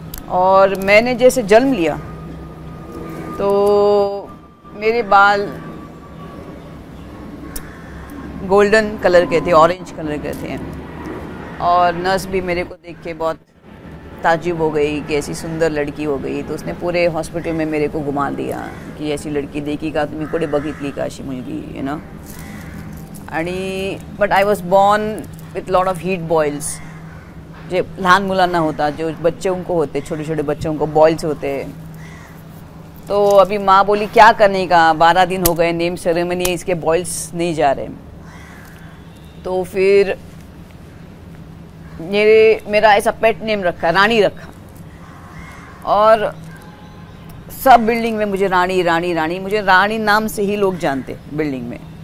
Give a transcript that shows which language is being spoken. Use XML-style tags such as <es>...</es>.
<hi>और मैंने जैसे जन्म लिया तो मेरे बाल गोल्डन कलर के थे, ऑरेंज कलर के थे, और नर्स भी मेरे को देख के बहुत ताज्जुब हो गई कि ऐसी सुंदर लड़की हो गई, तो उसने पूरे हॉस्पिटल में मेरे को घुमा दिया कि ऐसी लड़की देखी का तुम्हें</hi> <mr>कोड़े बघितली का अशी मुलगी,</mr> <en>You know. आणि but I was born with lot of heat boils.</en> <mr>जे लहान मुलांना होता,</mr> <hi>जो बच्चे उनको होते, छोटे छोटे बच्चे उनको बॉइल्स होते. तो अभी माँ बोली क्या करने का, 12 दिन हो गए नेम सेरेमनी है, इसके बॉइल्स नहीं जा रहे. तो फिर मेरा ऐसा पेट नेम रखा, रानी रखा, और सब बिल्डिंग में मुझे रानी रानी रानी, मुझे रानी नाम से ही लोग जानते बिल्डिंग में.</hi>